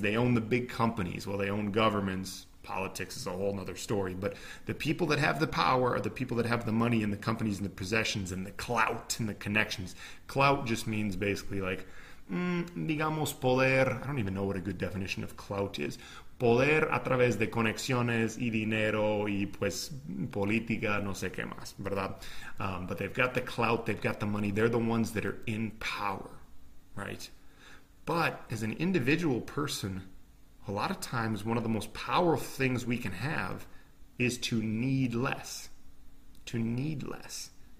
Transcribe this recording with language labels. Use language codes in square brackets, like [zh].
[en] They own the big companies. Well, they own governments. Politics is a whole nother story, but the people that have the power are the people that have the money and the companies and the possessions and the clout and the connections. Clout just means basically like, [es] digamos, poder. [en] I don't even know what a good definition of clout is. [es] Poder a través de conexiones y dinero y pues política, no sé qué más, ¿verdad? [en] But they've got the clout, they've got the money, they're the ones that are in power, right? But as an individual person, a lot of times, one of the most powerful things we can have is to need less. To need less.